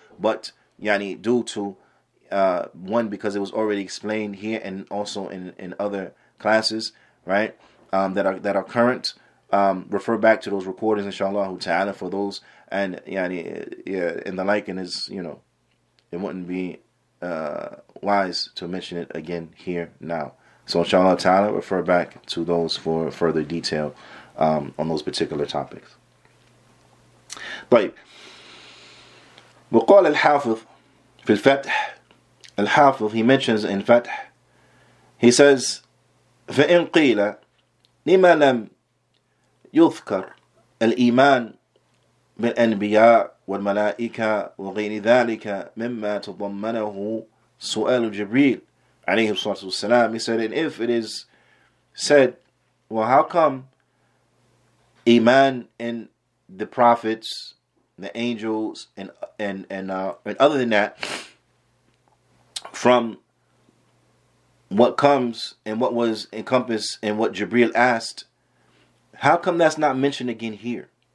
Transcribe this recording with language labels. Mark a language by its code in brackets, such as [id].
[en] But yani due to one, because it was already explained here and also in other classes, right, that are current, refer back to those recordings inshallah ta'ala for those, and yani yeah, and the like, and is, you know, it wouldn't be wise to mention it again here now. So inshallah ta'ala, refer back to those for further detail on those particular topics. [ar] طيب وقال الحافظ في الفتح. الحافظ, [en] he mentions in [ar] فتح, [en] he says, [ar] فإن قيل لما لم يذكر الإيمان بالأنبياء والملائكة وغير ذلك مما تضمنه سؤال جبريل عليه الصلاة والسلام. [en] He said, and if it is said, well, how come Iman in the prophets the angels, and other than that, from what comes and what was encompassed and what Jibreel asked, how come that's not mentioned again here?